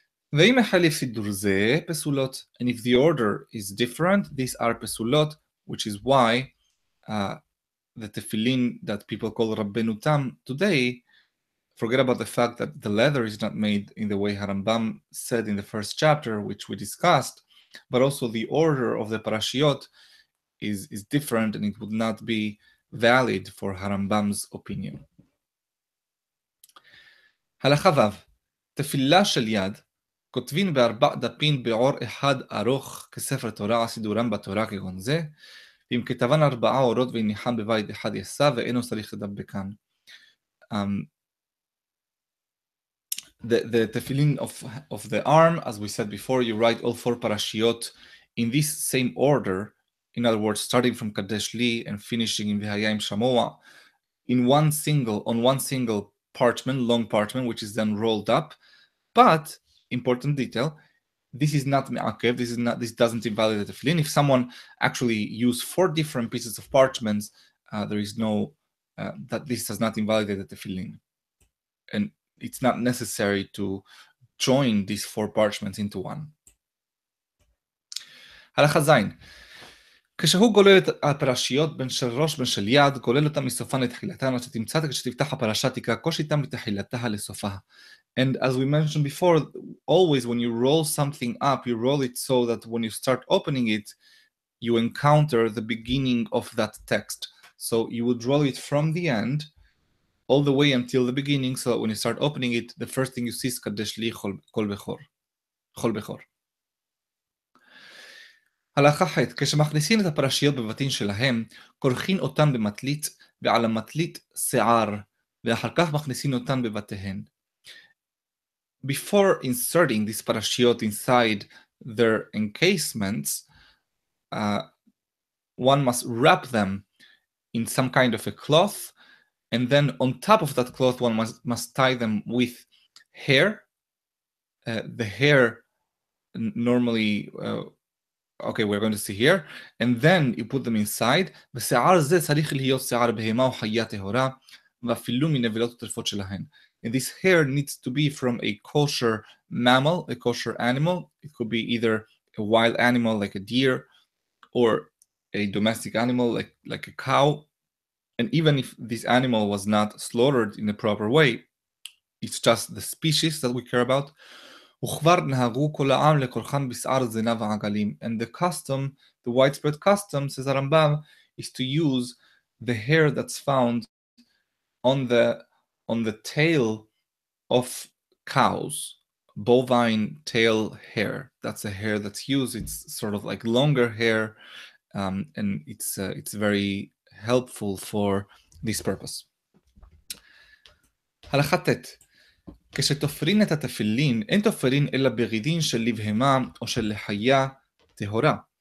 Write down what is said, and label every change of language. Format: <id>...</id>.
<en>They may have fidurze pesulot, and if the order is different, these are pesulot, which is why the tefillin that people call Rabbeinu Tam today, forget about the fact that the leather is not made in the way Harambam said in the first chapter, which we discussed, but also the order of the parashiyot is different, and it would not be valid for Harambam's opinion.</en> <he>Halacha vav, tefillah shel yad. כותבים בארבע דפים באור אחד ארוך כספר תורה, הסידורם בתורה כגון זה, ואם כתבן ארבעה אורות וניחם בבית אחד יסע, ואינו צריך לדבקן.</he> <en>The tefillin of the arm, as we said before, you write all four parashiyot in this same order, in other words, starting from Kadesh Li and finishing in Vihayim Shamoa, on one single parchment, long parchment, which is then rolled up, but important detail, this is not me'akev, this doesn't invalidate the tefillin. If someone actually use four different pieces of parchments, there is no that this does not invalidate the tefillin, and it's not necessary to join these four parchments into one. Halacha zayin,</en> <he>כשהוא גולל את הפרשיות בין של ראש בין של יד, גולל אותם מסופן לתחילתן, עד שתמצאת כשתפתח הפרשה תקרא קושי תם לתחילתה לסופה.</he> <en>And as we mentioned before, always when you roll something up, you roll it so that when you start opening it, you encounter the beginning of that text. So you would roll it from the end all the way until the beginning, so that when you start opening it, the first thing you see is Kadesh Li Chol Bechor.</en> <he>Chol Bechor. הלכה חית, כשמכניסים את הפרשיות בבתים שלהם, קורחים אותן במטלית ועל המטלית שיער, ואחר כך מכניסים אותן בבתיהן.</he> <en>Before inserting these parashiyot inside their encasements, one must wrap them in some kind of a cloth, and then on top of that cloth, one must tie them with hair. The hair normally, okay, we're going to see here, and then you put them inside.</en> <he>ושיער זה צריך להיות שיער בהמה או חיה טהורה, ואפילו מנבלות וטרפות שלהן.</he> <en>And this hair needs to be from a kosher mammal, a kosher animal. It could be either a wild animal like a deer or a domestic animal like a cow. And even if this animal was not slaughtered in a proper way, it's just the species that we care about.</en> <he>וכבר נהגו כל העם לקורחן בשיער זנה ועגלים.</he> <en>And the custom, the widespread custom, says הרמב״ם, is to use the hair that's found on the tail of cows, bovine tail hair. That's a hair that's used. It's sort of like longer hair, and it's very helpful for this purpose.</en> <he>הלכה ט', כשתופרין את התפילין, אין תופרין אלא ברידין של לבהמה או של לחיה טהורה.</he>